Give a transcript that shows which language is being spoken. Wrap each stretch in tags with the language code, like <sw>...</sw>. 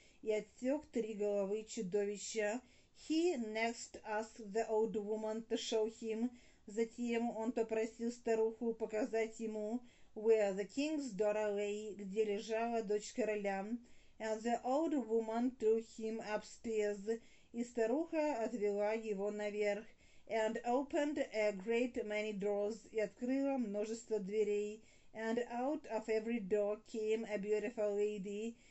<ru>И отсек три головы чудовища.</ru> <en>He next asked the old woman to show him.</en> <ru>Затем он попросил старуху показать ему,</ru> <en>where the king's daughter lay,</en> <ru>где лежала дочь короля.</ru> <en>And the old woman took him upstairs.</en> <ru>И старуха отвела его наверх.</ru> <en>And opened a great many doors.</en> <ru>И открыла множество дверей.</ru> <en>And out of every door came a beautiful lady.</en>